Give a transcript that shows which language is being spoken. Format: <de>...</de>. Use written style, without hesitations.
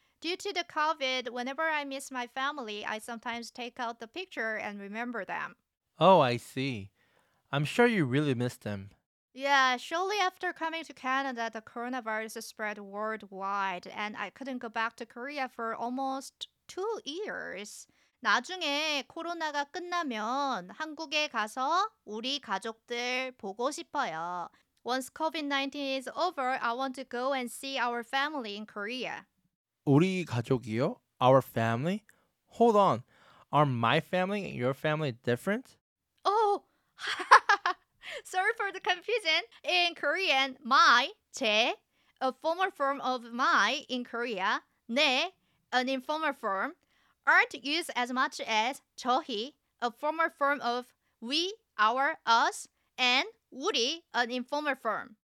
<en>Due to the COVID, whenever I miss my family, I sometimes take out the picture and remember them. Oh, I see. I'm sure you really miss them. Yeah, shortly after coming to Canada, the coronavirus spread worldwide, and I couldn't go back to Korea for almost 2 years.</en> <ko>나중에 코로나가 끝나면 한국에 가서 우리 가족들 보고 싶어요.</ko> <en>Once COVID-19 is over, I want to go and see our family in Korea.</en> <ko>우리 가족이요?</ko> <en>Our family? Hold on. Are my family and your family different? Oh! Sorry for the confusion. In Korean, my, 제, a formal form of my in Korea, 내, an informal form, aren't used as much as 저희, a formal form of we, our, us, and 우리, an informal form.</en>